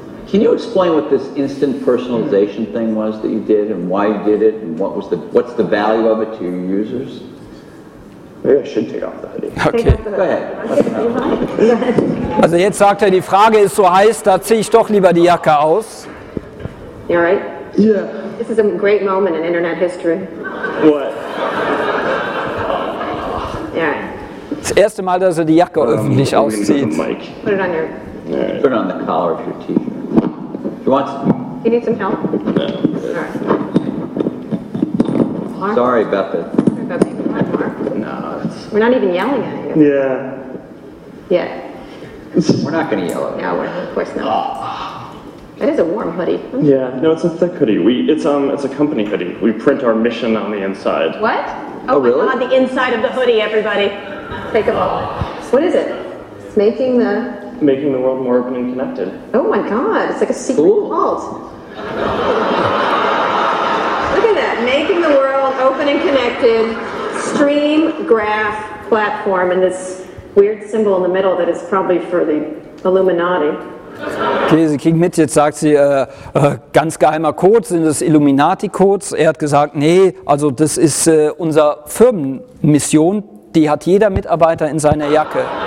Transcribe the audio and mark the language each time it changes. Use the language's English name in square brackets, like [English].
[English] Can you explain what this instant personalization thing was that you did and why you did it and what was the, what's the value of it to your users? Maybe I should take off the hoodie. Okay. Go ahead. [German] Also jetzt sagt er, die Frage ist so heiß, da ziehe ich doch lieber die Jacke aus. [English] You all right? Yeah. This is a great moment in internet history. What? Yeah. [German] Das erste Mal, dass er die Jacke öffentlich auszieht. [English] Put it on your... Right. Put it on the collar of your t-shirt. You want some? You need some help? No. Right. Sorry about that. Sorry about that. No, it's... We're not even yelling at you. Yeah. Yeah. We're not going to yell at you. No, we're, of course not. Oh. It is a warm hoodie. Yeah, no, it's a thick hoodie. It's a company hoodie. We print our mission on the inside. What? Oh, oh really? God, the inside of the hoodie, everybody. Take a look. What is it? It's making the... Making the world more open and connected. Oh my God, it's like a secret cool. Vault. Look at that, making the world open and connected, stream, graph, platform, and this weird symbol in the middle that is probably for the Illuminati. [German] Okay, sie kriegt mit, jetzt sagt sie, ganz geheimer Code, sind das Illuminati-Codes? Er hat gesagt, nee, also das ist unsere Firmenmission, die hat jeder Mitarbeiter in seiner Jacke.